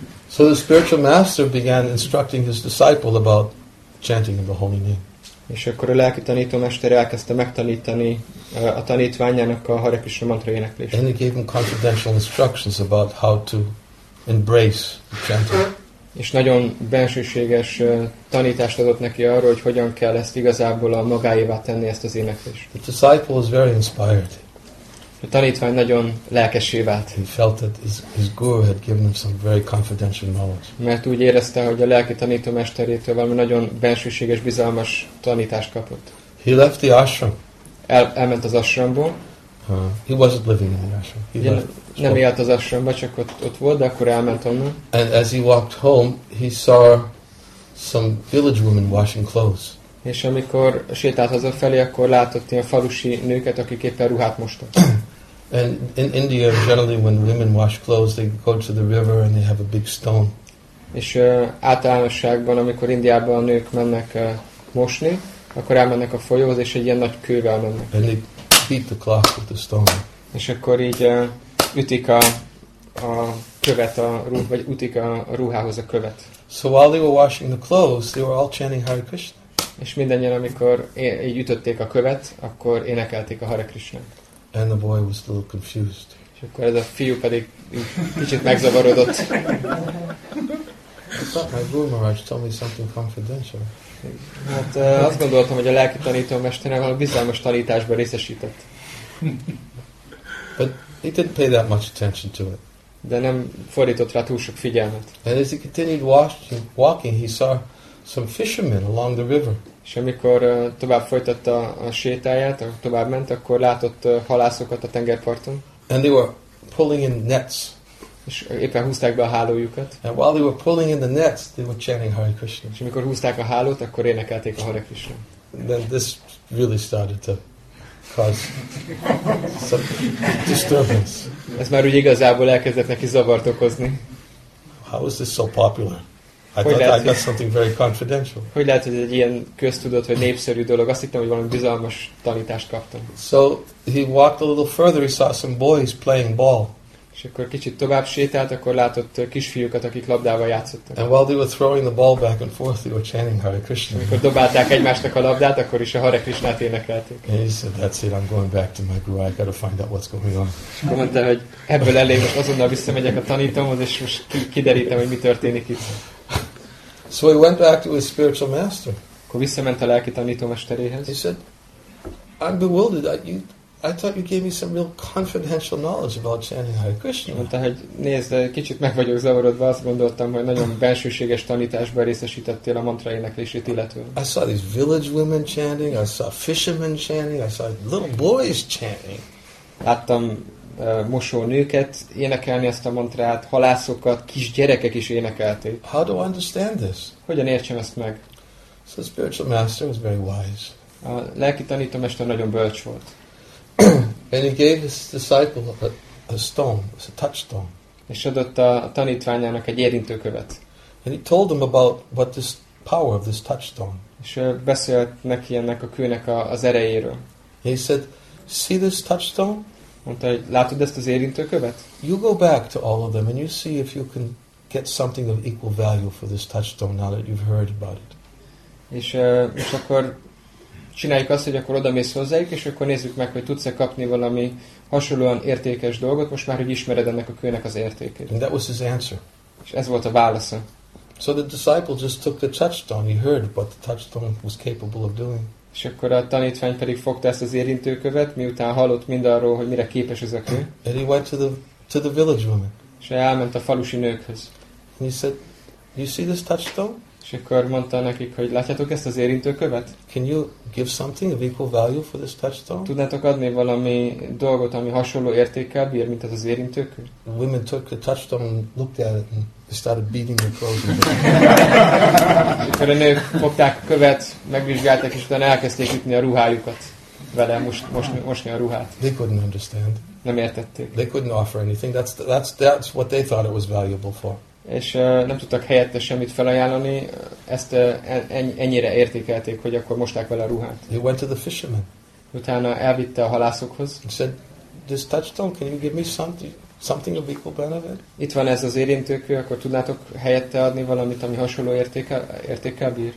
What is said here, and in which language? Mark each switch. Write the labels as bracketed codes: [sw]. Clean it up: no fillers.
[en] So the spiritual master began instructing his disciple about chanting in the holy name. [hu] És akkor a lelki tanítómester elkezdte megtanítani a tanítványának a Hare Krishna mantra éneklését. [en] And he gave him confidential instructions about how to embrace the chanting. [hu] És nagyon bensőséges tanítást adott neki arról, hogy hogyan kell ezt igazából a magáévá tenni, ezt az éneklést. [en] The disciple was very inspired. [hu] A tanítvány nagyon lelkessé vált. [en] He felt that his guru had given him some very confidential knowledge. [hu] Mert úgy érezte, hogy a lelki tanítómesterétől valami nagyon bensőséges, bizalmas tanítást kapott. [en] He left the ashram. [hu] Elment az ashramból. [en] He wasn't living in the ashram. [hu] Nem élt az ashramba, csak ott volt, de akkor elment onnan. [en] And as he walked home, he saw some village women washing clothes. [hu] És amikor sétált hazafelé, akkor látott ilyen falusi nőket, akik éppen ruhát mostak. [en] And in India, generally when women wash clothes, they go to the river and they have a big stone. [hu] És általánosságban, amikor Indiában a nők mennek mosni, akkor elmennek a folyóhoz, és egy ilyen nagy kővel mennek. [en] And they beat the cloth with the stone. [hu] És akkor így ütik a követ a ruhához, vagy ütik a ruhához a követ. [en] So while they were washing the clothes, they were all chanting Hare Krishna. [hu] És mindannyian, amikor így ütötték a követ, akkor énekelték a Hare Krishnát. [en] And the boy was a little confused. [hu] És akkor ez a fiú pedig kicsit megzavarodott. [en] My Guru Maharaj told me something confidential. [hu] Hát azt gondoltam, hogy a lelki tanítómesterem valami bizalmas tanításban részesített. [en] But he didn't pay that much attention to it. [hu] De nem fordított rá túl sok figyelmet. [en] And as he continued walking, he saw some fishermen along the river. [hu] És amikor tovább folytatta a sétáját, tovább ment, akkor látott halászokat a tengerparton. [en] And they were pulling in nets. [hu] És éppen húzták be a hálójukat. [en] And while they were pulling in the nets, they were chanting Hare Krishna. [hu] És amikor húzták a hálót, akkor énekelték a Hare Krishna. [en] Then this really started to cause some disturbance. [hu] Ez már úgy igazából elkezdett neki zavart okozni. [en] How is this so popular? I thought that's something very confidential. [hu] Hogy lehet, hogy ez egy ilyen köztudott vagy népszerű dolog? Azt hittem, hogy valami bizalmas tanítást kaptam. [en] So he walked a little further. He saw some boys playing ball. [hu] És akkor kicsit tovább sétált, akkor látott kisfiúkat, akik labdával játszottak. [en] And while they were throwing the ball back and forth, they were chanting Hare Krishna. [hu] Amikor dobálták egymásnak a labdát, akkor is a Hare Krishnát énekelték. [en] And he said, that's it, I'm going back to my guru, I gotta find out what's going on. [hu] És akkor mondta, hogy ebből elég, most azonnal visszamegyek a tanítomhoz, és most kiderítem, hogy mi történik itt. [en] So he went back to his spiritual master. [hu] Akkor visszament a lelki tanítómesteréhez. [en] He said, I'm bewildered that you... I thought you gave me some real confidential knowledge about chanting Hare Krishna. [hu] Mondta, hogy nézd, kicsit meg vagyok zavarodva, azt gondoltam, hogy nagyon belsőséges tanításba részesítettél a mantra éneklését illetően. [en] I saw these village women chanting, I saw fishermen chanting, I saw little boys chanting. [hu] Láttam mosó nőket énekelni ezt a mantrát, halászokat, kis gyerekek is énekelték. [en] How do I understand this? [hu] Hogyan értsem ezt meg? [en] So the spiritual master was very wise. [hu] A lelki tanítómester nagyon bölcs volt. [en] And he gave his disciple a stone, a touchstone. [hu] És adott a tanítványának egy érintőkövet. [en] And he told him about what this power of this touchstone. [hu] És beszélt neki ennek a kőnek az erejéről. [en] He said, "See this touchstone?" [hu] Mondta, hogy látod ezt az érintőkövet? [en] You go back to all of them and you see if you can get something of equal value for this touchstone now that you've heard about it. [hu] És akkor csináljuk azt, hogy akkor odamész hozzájuk, és akkor nézzük meg, hogy tudsz-e kapni valami hasonlóan értékes dolgot, most már, hogy ismered ennek a kőnek az értékét. [en] And that was his answer. [hu] És ez volt a válasza. [en] So the disciple just took the touchstone, he heard what the touchstone was capable of doing. [hu] És akkor a tanítvány pedig fogta ezt az érintőkövet, miután hallott mindarról, hogy mire képes ez a kő. [en] And he went to the village woman. [hu] És elment a falusi nőkhöz. [en] And he said, you see this touchstone? [hu] És akkor mondta nekik, hogy látjátok ezt az érintőkövet? [en] Can you give something of equal value for this touchstone? [hu] Tudnátok adni valami dolgot, ami hasonló értékkel bír, mint ez az érintőkő? [en] The women took the touchstone and looked at it and started beating their clothes. [hu] Akkor a nők fogták a követ, megvizsgálták, és utána elkezdték ütni a ruhájukat vele, mosni a ruhát. [en] They couldn't understand. [hu] Nem értették. [en] They couldn't offer anything. That's what they thought it was valuable for. [hu] És nem tudtak helyette semmit felajánlani, ezt ennyire értékelték, hogy akkor mosták vele a ruhát. [en] He went to the fisherman. [hu] Utána elvitte a halászokhoz. [en] He said, this touchstone, can you give me something of equal benefit? [hu] Itt van ez az érintőkő, akkor tudnátok helyette adni valamit, ami hasonló értékkel bír?